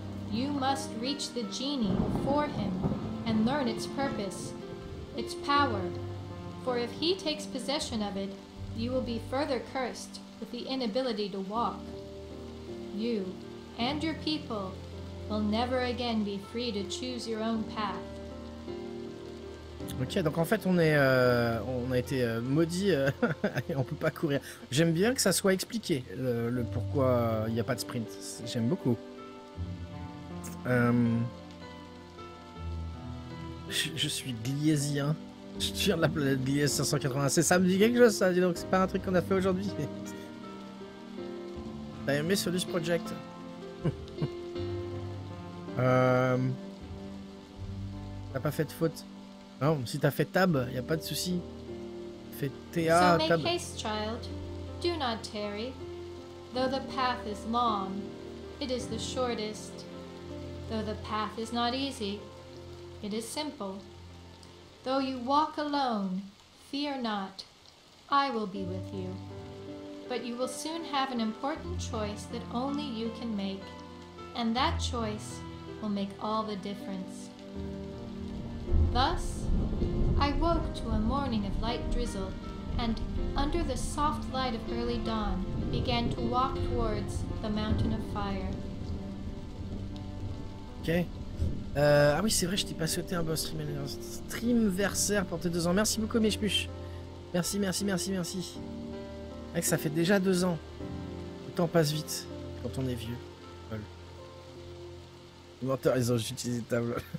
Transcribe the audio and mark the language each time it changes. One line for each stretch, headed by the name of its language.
English: You must reach the genie before him and learn its purpose, its power. For if he takes possession of it, you will be further cursed with the inability to walk. You and your people will never again be free to choose your own path.
French: Ok, donc en fait on a été maudit et on peut pas courir. J'aime bien que ça soit expliqué le pourquoi il n'y a pas de sprint. J'aime beaucoup. Je suis gliésien. Je tire de la planète Gliese 596. Ça me dit quelque chose, ça. Dis donc, c'est pas un truc qu'on a fait aujourd'hui. T'as aimé Solus Project? T'as pas fait de faute. Non, si t'as fait tab, y a pas de souci. Fais TA,
English: tab. So make haste, child. Do not tarry. Though the path is long, it is the shortest. Though the path is not easy, it is simple. Though you walk alone, fear not. I will be with you. But you will soon have an important choice that only you can make. And that choice will make all the difference. Thus, I woke to a morning of light drizzle, and under the soft light of early dawn, began to walk towards the mountain of fire. Okay.
French: Ah oui, c'est vrai, je t'ai pas souhaité un bon streamversaire pour tes 2 ans. Merci beaucoup, Mishmush. Merci. Mec, ça fait déjà 2 ans. Le temps passe vite quand on est vieux. Lol. Les menteurs, ils ont juste utilisé table.